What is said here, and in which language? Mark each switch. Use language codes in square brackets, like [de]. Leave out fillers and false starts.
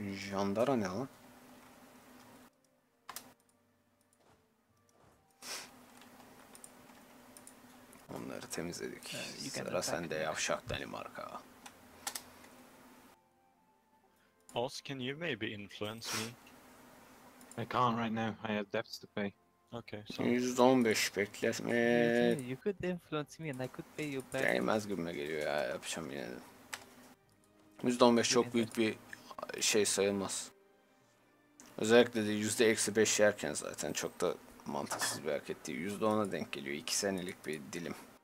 [tr] Jandara ne lan? Onları temizledik. Sıra sende yavşak Danimarka. [en] Oz, can you maybe influence me? I can't right now. I have debts to pay. Okay. [tr] %15 bekletme. [en] You could influence me and I could pay you back. [tr] Değmez gibime geliyor ya. Yapacağım yine. %15 çok büyük bir şey sayılmaz. Özellikle de %-5 yerken zaten çok da mantıksız bir hareket değil. %10'a denk geliyor. 2 senelik bir dilim.